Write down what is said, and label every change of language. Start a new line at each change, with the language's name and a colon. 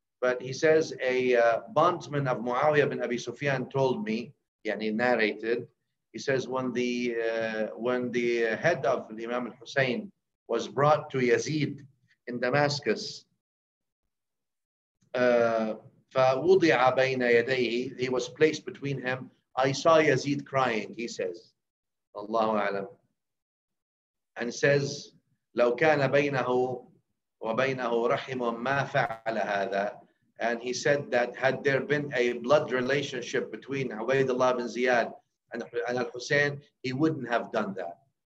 English: But he says, a bondsman of Muawiyah bin Abi Sufyan told me, and he narrated, he says, when the head of Imam Hussein was brought to Yazid in Damascus,
Arabic: فَوُضِعَ بَيْنَ يَدَيْهِ,
English: he was placed between him. I saw Yazid crying, he says, Allahu A'lam. And says,
Arabic: لَوْ كَانَ بَيْنَهُ وَبَيْنَهُ رَحِمٌ مَا فَعَلَ هَذَا.
English: And he said that had there been a blood relationship between Ubaydullah bin Ziyad and Al-Hussein, he wouldn't have done that.